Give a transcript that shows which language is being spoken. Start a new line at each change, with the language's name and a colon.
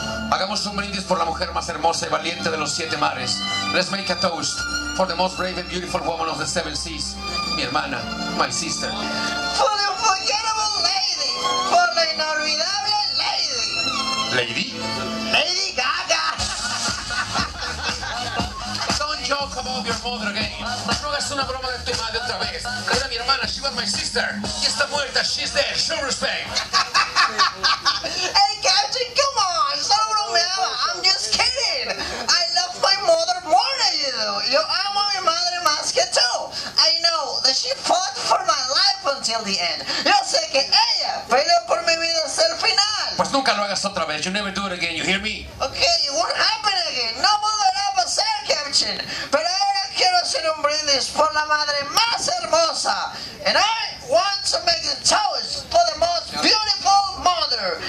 Spanish: Hagamos un brindis por la mujer más hermosa y valiente de los siete mares.
English: Let's make a toast for the most brave and beautiful woman of the seven seas.
Spanish: Mi hermana,
English: my sister. For the unforgettable lady. For the inolvidable lady. Lady? Lady Gaga. Don't joke about your mother again.
Spanish: No hagas una broma de tu madre otra vez. Era mi hermana,
English: she was my sister.
Spanish: Y está muerta,
English: she's dead. Show respect. Hey, Captain, come on.
Spanish: Solo bromeaba.
English: I'm just kidding. I love my mother more than you do.
Spanish: Yo amo a mi madre más que tú.
English: I know that she fought for my life until the end.
Spanish: Yo sé que ella peleó por mi vida hasta el final. Pues nunca lo hagas otra vez.
English: You never do it again. You hear me? Okay, it won't happen again.
Spanish: No volverá a pasar,
English: Captain.
Spanish: Pero ahora quiero hacer un brindis por la madre más hermosa.
English: And I want to make the toast for the most beautiful mother.